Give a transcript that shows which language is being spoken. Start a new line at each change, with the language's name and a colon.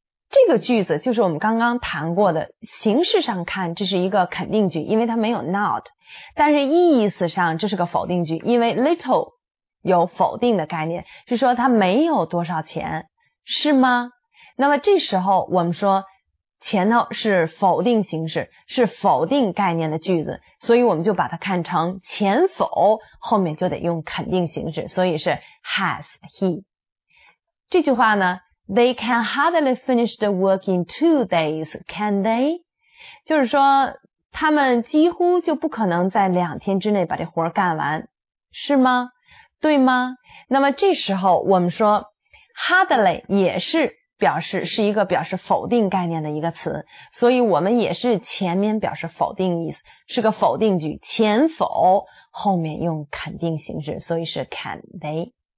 Chinese: 这个句子就是我们刚刚谈过的，形式上看这是一个肯定句，因为它没有 not， 但是意思上这是个否定句，因为 little 有否定的概念，是说他没有多少钱，是吗？那么这时候我们说前头是否定形式，是否定概念的句子，所以我们就把它看成前否，后面就得用肯定形式，所以是 has he。
English: 这句话呢， They can hardly finish the work in 2 days, can they?
Chinese: 就是说他们几乎就不可能在两天之内把这活干完，是吗？对吗？那么这时候我们说 hardly 也是表示是一个表示否定概念的一个词，所以我们也是前面表示否定意思，是个否定句，前否，后面用肯定形式，所以是 can they。